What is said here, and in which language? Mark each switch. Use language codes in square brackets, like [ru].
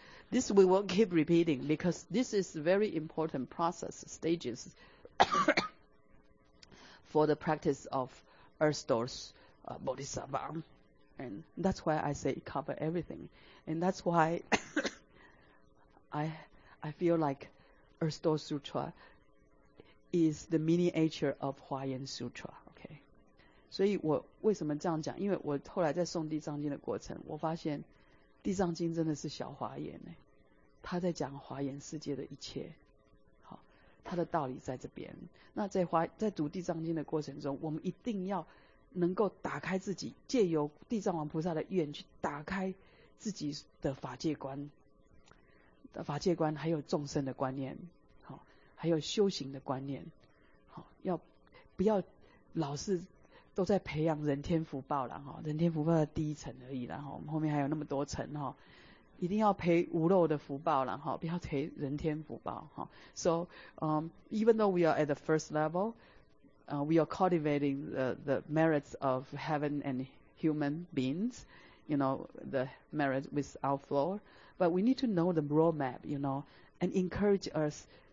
[en] This we will keep repeating because this is very important process stages for the practice of Earth Doors Bodhisattva. And that's why I say it covers everything. And that's why I feel like Earth Door Sutra is the miniature of 华严 Sutra, okay? [zh] 所以我为什么这样讲？因为我后来在诵地藏经的过程，我发现地藏经真的是小华严呢，他在讲华严世界的一切，好，他的道理在这边。那在读地藏经的过程中，我们一定要能够打开自己，借由地藏王菩萨的愿去打开自己的法界观，法界观还有众生的观念。还有修行的观念，好，要不要老是都在培养人天福报了哈？人天福报的第一层而已了哈，我们后面还有那么多层哈，一定要培无漏的福报了哈，不要培人天福报哈。 [en] So, even though we are at the first level, we are cultivating the merits of heaven and human beings, you know, the merits with our floor, but we need to know the roadmap, you know, and encourage us.